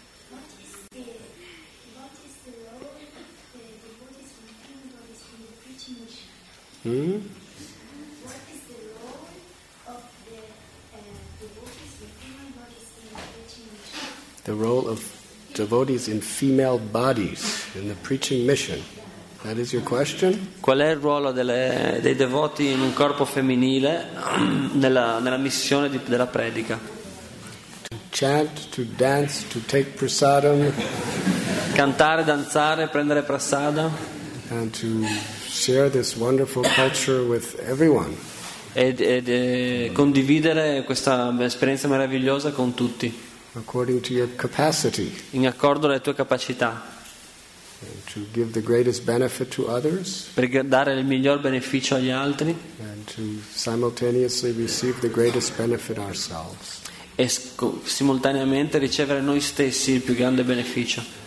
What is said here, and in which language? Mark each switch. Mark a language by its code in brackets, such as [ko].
[en] What is the role of the devotees from King Goddess from the preaching mission? What is the role of the devotees from King Goddess in the preaching mission? The role of devotees in female bodies in the preaching mission. That is your question? [it] Qual è il ruolo dei devoti in un corpo femminile nella missione della predica? [en] To chant, to dance, to take prasadam. [it] Cantare, danzare, prendere prasada. [en] And to share this wonderful culture with everyone. [it] E condividere questa esperienza meravigliosa con tutti. [en] According to your capacity. [it] In accordo alle tue capacità. [en] And to give the greatest benefit to others. [it] Per dare il miglior beneficio agli altri. [en] And to simultaneously receive the greatest benefit ourselves. [it] E simultaneamente ricevere noi stessi il più grande beneficio.